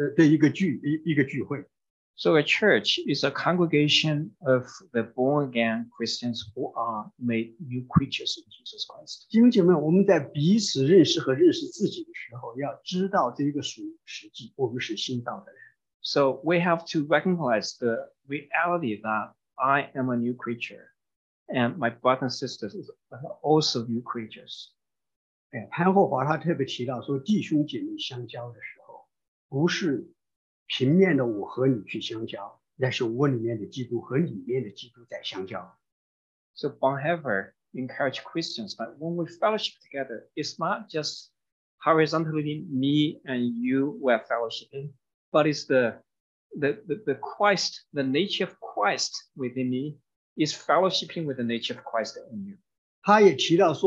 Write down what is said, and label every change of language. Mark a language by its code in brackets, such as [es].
[zh] 教会在这里乃是很多新造的人聚集在一起，所以一个聚会。So [en] a church is a congregation of the born again Christians who are made new creatures in Jesus Christ. [zh] 弟兄姐妹，我们在彼此认识和认识自己的时候，要知道这个属实际，我们是新造的人。So [en] we have to recognize the reality that I am a new creature. And my brothers and sisters are also new creatures. [zh] 潘霍华他特别提到说，弟兄姐妹相交的时候，不是平面的我和你去相交，那是我里面的基督和里面的基督在相交。So [en] Bonhoeffer encouraged Christians that when we fellowship together, it's not just horizontally me and you we are fellowshipping, but it's the Christ, the nature of Christ within me. Is fellowshipping with the nature of Christ in you.